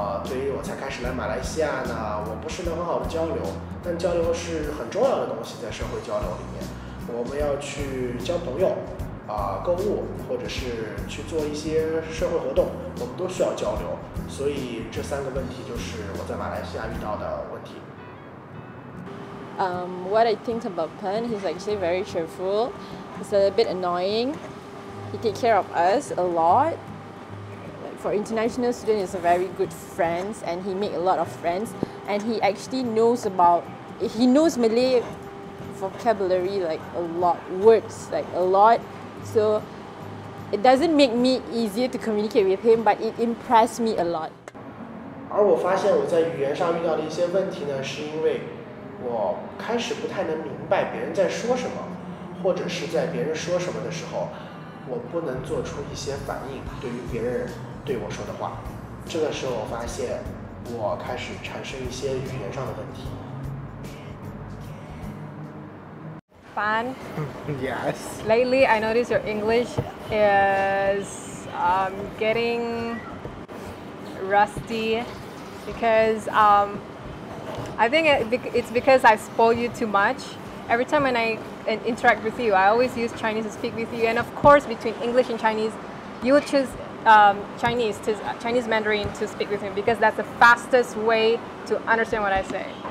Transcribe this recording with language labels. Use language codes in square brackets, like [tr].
[zh] 对于我才开始来马来西亚呢，我不是能很好的交流，但交流是很重要的东西，在社会交流里面，我们要去交朋友，购物，或者是去做一些社会活动，我们都需要交流，所以这三个问题就是我在马来西亚遇到的问题。 [en] What I think about Pen, he's actually very cheerful. He's a bit annoying. He takes care of us a lot. For international students, he's a very good friend and he makes a lot of friends. And he actually knows Malay vocabulary like a lot, words like a lot. So it doesn't make me easier to communicate with him, but it impressed me a lot. [zh] 而我发现我在语言上遇到的一些问题呢，是因为我开始不太能明白别人在说什么，或者是在别人说什么的时候，我不能做出一些反应，对于别人对我说的话，这个时候我发现我开始产生一些语言上的问题。 [en] Fun. Yes. Lately, I notice your English is getting rusty because I think it's because I spoil you too much. Every time when I interact with you, I always use Chinese to speak with you. And of course, between English and Chinese, you will choose Chinese Mandarin to speak with him because that's the fastest way to understand what I say.